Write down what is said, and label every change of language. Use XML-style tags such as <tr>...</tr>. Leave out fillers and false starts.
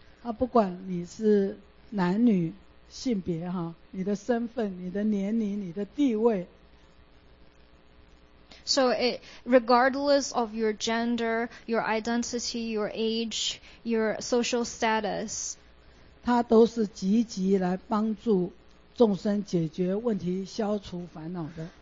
<zh>啊，不管你是男女性别哈，你的身份、你的年龄、你的地位。</zh> <en>So it, regardless of your gender, your identity, your age, your social status,</en> <zh>他都是积极来帮助众生解决问题、消除烦恼的。</zh>